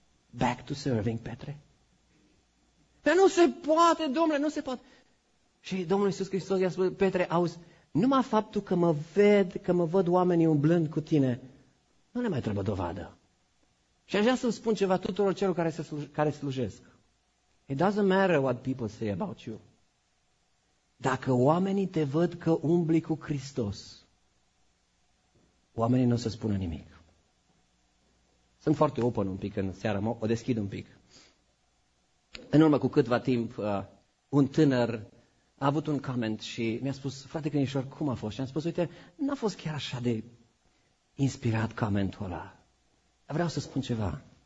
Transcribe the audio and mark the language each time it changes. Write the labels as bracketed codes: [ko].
[en] Back to serving, [ro] Petre. Dar nu se poate, Domnule, nu se poate. Și Domnul Iisus Hristos i-a spus, Petre, auzi, numai faptul că mă ved, că mă văd oamenii umblând cu tine, nu le mai trebuie dovadă. Și aș vrea să-mi spun ceva tuturor celor care slujesc. [en] It doesn't matter what people say about you. [ro] Dacă oamenii te văd că umbli cu Hristos, oamenii nu o să spună nimic. Sunt foarte open un pic în seara, o deschid un pic. În urmă cu câtva timp, un tânăr a avut un comment și mi-a spus, frate Crinișor, cum a fost? Și am spus, uite, n-a fost chiar așa de inspirat comentul ăla. Vreau să spun ceva.